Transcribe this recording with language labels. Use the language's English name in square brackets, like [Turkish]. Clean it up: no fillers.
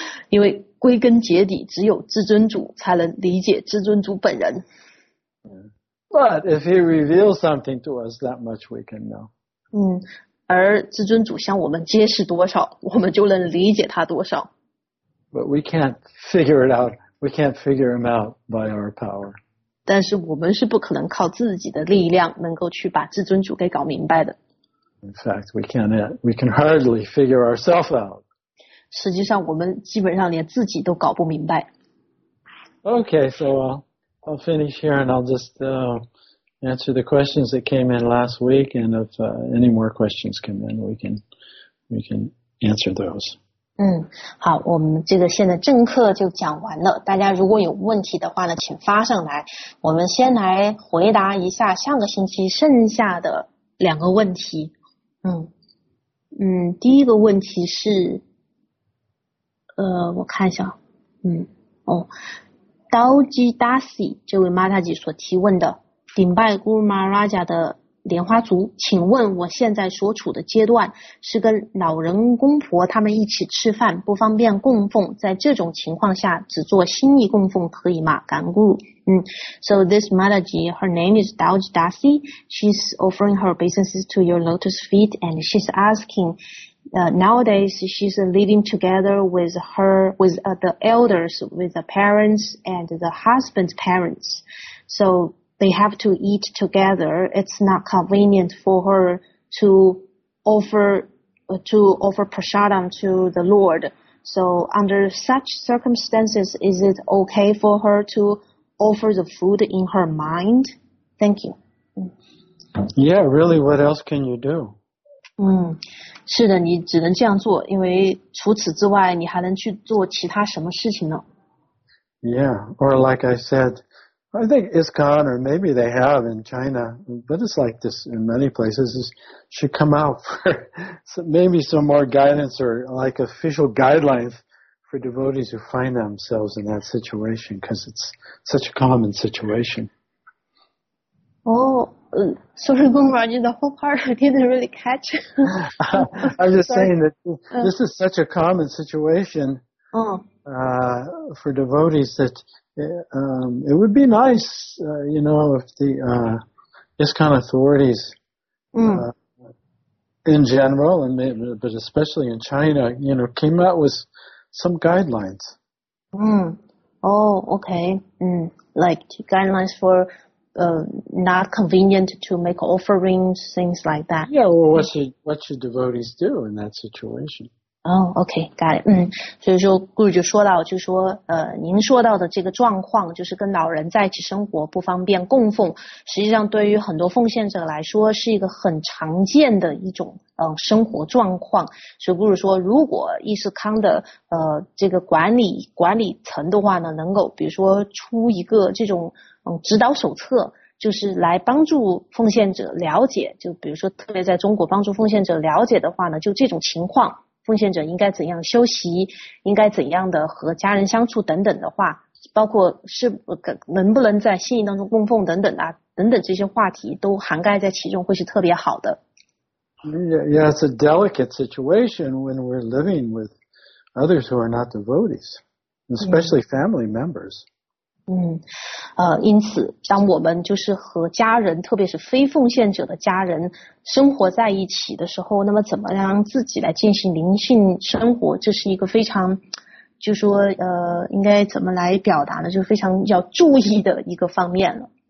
[Chinese] 因为归根结底只有至尊主才能理解至尊主本人。 [English] But if he reveals something to us, that much we can know. [Chinese] 而至尊主向我们揭示多少，我们就能理解他多少。 [English] But we can't figure it out. We can't figure him out by our power. [Chinese] 但是我们是不可能靠自己的力量能够去把至尊主给搞明白的。 [English] In fact, we can hardly figure ourselves out. [Chinese] 实际上我们基本上连自己都搞不明白。 [English] Okay, so I'll finish here and I'll just answer the questions that came in last week, and if any more questions come in, we can answer those. [Chinese] 好，我们这个现在正课就讲完了，大家如果有问题的话呢，请发上来，我们先来回答一下上个星期剩下的两个问题。第一个问题是我看一下，刀吉达西这位玛塔吉所提问的，顶拜古尔玛拉贾的莲花族，请问我现在所处的阶段是跟老人公婆他们一起吃饭，不方便供奉，在这种情况下只做心意供奉可以吗？感恩 [English] guru。So this Mataji, her name is Dauji Dasi. She's offering her obeisances to your lotus feet, and she's asking, nowadays she's living together with the elders, with the parents and the husband's parents. So they have to eat together. It's not convenient for her to offer prasadam to the Lord. So under such circumstances, is it okay for her to offer the food in her mind? Thank you. Yeah, really, what else can you do? 是的，你只能这样做，因为除此之外，你还能去做其他什么事情呢？ Yeah, or like I said,I think ISKCON, or maybe they have in China, but it's like this in many places, should come out for maybe some more guidance or like official guidelines for devotees who find themselves in that situation, because it's such a common situation. Sorry, Gumaraji, the whole part I didn't really catch. I'm just saying that this is such a common situation for devotees that... it would be nice, if the ISKCON authorities in general, and maybe, but especially in China, came out with some guidelines. Like guidelines for not convenient to make offerings, things like that. Yeah, well, what should devotees do in that situation? got it. [Chinese] 所以说顾主就说到，就说您说到的这个状况，就是跟老人在一起生活不方便供奉，实际上对于很多奉献者来说是一个很常见的一种生活状况。所以顾主说，如果伊斯康的这个管理层的话呢，能够比如说出一个这种指导手册，就是来帮助奉献者了解，就比如说特别在中国帮助奉献者了解的话呢，就这种情况奉献者应该怎样休息，应该怎样的和家人相处等等的话，包括是能不能在心意当中供奉等等啊，等等这些话题都涵盖在其中，会是特别好的。 [English] Yeah, it's a delicate situation when we're living with others who are not devotees, especially family members. [Chinese] 因此当我们就是和家人，特别是非奉献者的家人生活在一起的时候，那么怎么让自己来进行灵性生活，这是一个非常就说应该怎么来表达呢，就非常要注意的一个方面了。